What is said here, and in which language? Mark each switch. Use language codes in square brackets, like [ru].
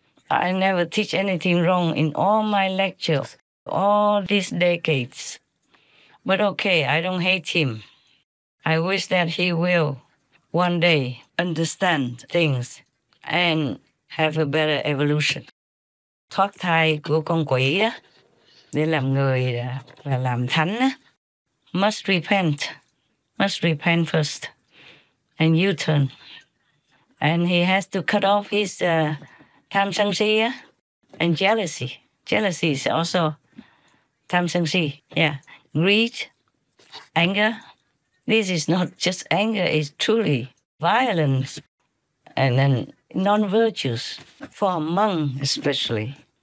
[en] I never teach anything wrong in all my lectures, all these decades. But okay, I don't hate him. I wish that he will one day understand things and have a better evolution. [vi] Thoát thai của con quỷ đó, để làm người và làm thánh đó, [en] must repent. Must repent first and U-turn. And he has to cut off his tham sân si and jealousy. Jealousy is also tham sân si. Yeah. Greed, anger. This is not just anger, it's truly violence and then non-virtuous for a monk especially.